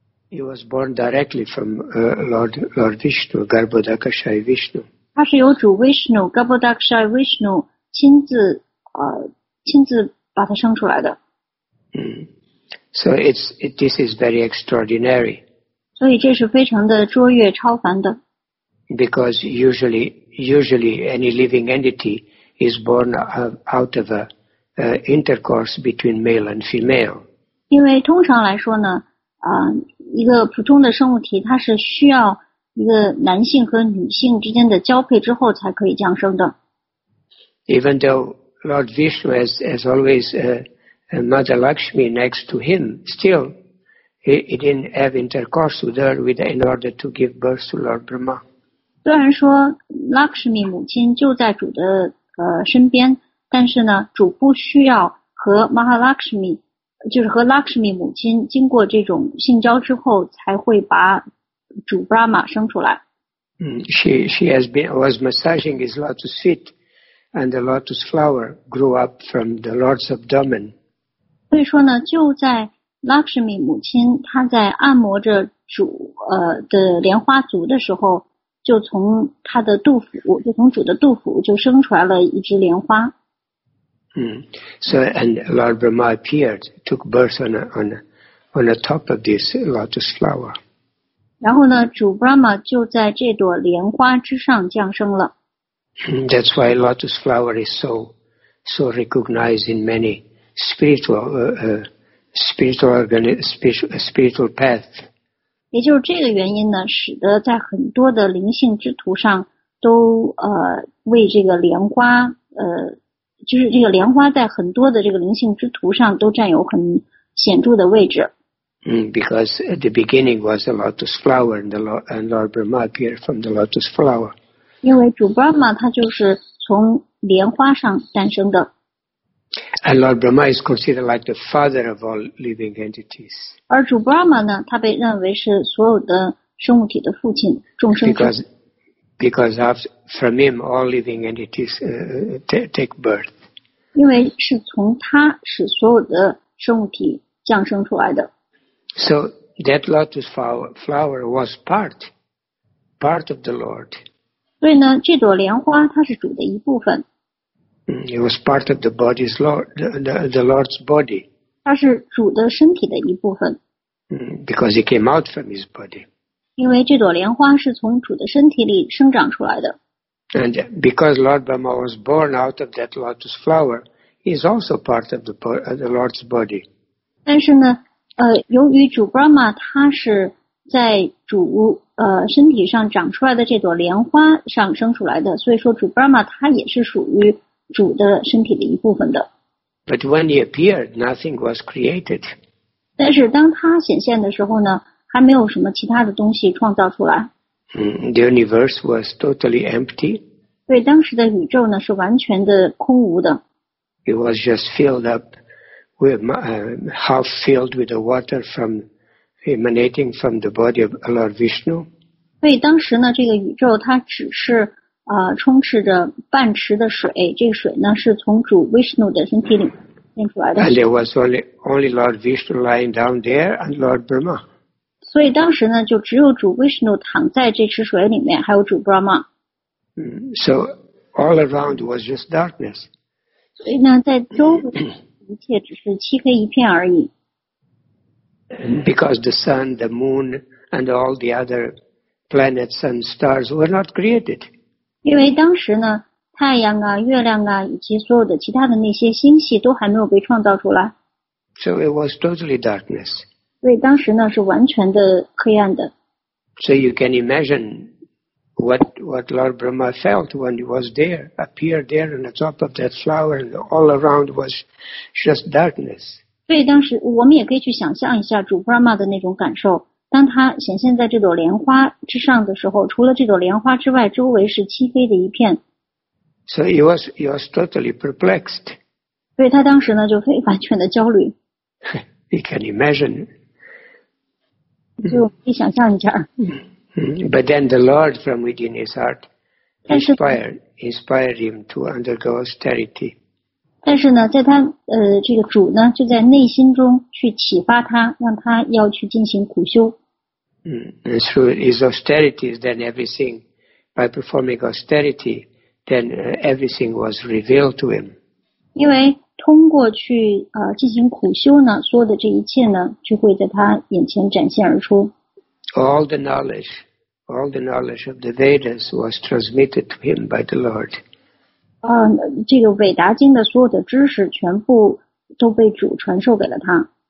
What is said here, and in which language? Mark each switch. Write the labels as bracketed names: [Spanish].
[English] He was born directly from Lord Vishnu, Garbhodakshaya Vishnu. [Chinese] 他是由主 Vishnu, Garbhodakshaya Vishnu 亲自把他生出来的。 [English] So this is very extraordinary. [Chinese] 所以这是非常的卓越超凡的。 [English] Because usually any living entity is born out of a intercourse between male and female. [Chinese] 因为通常来说呢，一个普通的生物体它是需要一个男性和女性之间的交配之后才可以降生的。 [English] Even though Lord Vishnu has always Mother Lakshmi next to him, still he didn't have intercourse with her in order to give birth to Lord Brahma. [Chinese] 虽然说 Lakshmi 母亲就在主的身边，但是呢主不需要和 Mahalakshmi就是和 Lakshmi 母亲经过这种性交之后才会把主 Brahma 生出来。 [English] She was massaging his lotus feet and the lotus flower grew up from the Lord's abdomen. [Chinese] 所以说呢就在 Lakshmi 母亲她在按摩着主的莲花足的时候就从她的肚腹就从主的肚腹就生出来了一只莲花。 [English] So and Lord Brahma appeared, took birth on the top of this lotus flower. [Chinese] 然后呢，主 Brahma 就在这朵莲花之上降生了。 [English] That's why lotus flower is so recognized in many spiritual paths. [Chinese] 也就是这个原因呢，使得在很多的灵性之途上都为这个莲花就是这个莲花在很多的这个灵性之途上都占有很显著的位置。 [English] Because at the beginning was a lotus flower and Lord Brahma appeared from the lotus flower. [Chinese] 因为主 Brahma 他就是从莲花上诞生的。 [English] And Lord Brahma is considered like the father of all living entities. [Chinese] 而主 Brahma 呢他被认为是所有的生物体的父亲众生之。 [English] Because from him all living entities take birth. [Chinese] 因为是从他使所有的生物体降生出来的。 [English] So that lotus flower was part of the Lord. [Chinese] 所以呢这朵莲花它是主的一部分。 [English] It was part of the body's Lord, the Lord's body. [Chinese] 它是主的身体的一部分。 [English] Because it came out from his body. [Chinese] 因为这朵莲花是从主的身体里生长出来的。 [English] And because Lord Brahma was born out of that lotus flower, he is also part of the Lord's body. [Chinese] 但是呢，由于主 Brahma 他是在主身体上长出来的这朵莲花上生出来的，所以说主 Brahma 他也是属于主的身体的一部分的。 [English] But when he appeared, nothing was created. [Chinese] 但是当他显现的时候呢？还没有什么其他的东西创造出来。 [English] The universe was totally empty. [Chinese] 对，当时的宇宙呢是完全的空无的。 [English] It was just filled up with half filled with the water from emanating from the body of Lord Vishnu. [Chinese] 对，当时呢这个宇宙它只是充斥着半池的水，这个水呢是从主 Vishnu 的身体里变出来的。 [English] And there was only Lord Vishnu lying down there and Lord Brahma. [Chinese] 所以当时呢就只有主 Vishnu 躺在这池水里面还有主 Brahma。 [English] So all around was just darkness. [Chinese] 所以呢在周围一切只是漆黑一片而已。 [English] Because the sun, the moon, and all the other planets and stars were not created. [Chinese] 因为当时呢太阳啊月亮啊以及所有的其他的那些星系都还没有被创造出来。 [English] So it was totally darkness. [Chinese] 所以当时呢是完全的黑暗的。 [English] So you can imagine what Lord Brahma felt when he was there, appeared there on the top of that flower, and all around was just darkness. [Chinese] 所以当时我们也可以去想象一下主 Brahma 的那种感受。当他显现在这朵莲花之上的时候，除了这朵莲花之外，周围是漆黑的一片。 [English] So he was totally perplexed. [Chinese] 所以他当时呢就非完全的焦虑。 [English] You can imagine. [Chinese] 就可以想象一下。 [English] But then the Lord from within his heart inspired him to undergo austerity. [Chinese] 但是呢，在他这个主呢就在内心中去启发他，让他要去进行苦修。 [English] And through his austerities, then everything, by performing austerity, then everything was revealed to him. [Chinese] 因为通过去进行苦修呢，所有的这一切呢，就会在他眼前展现而出。 [English] All the knowledge of the Vedas was transmitted to him by the Lord. [Chinese] 这个韦达经的所有的知识全部都被主传授给了他。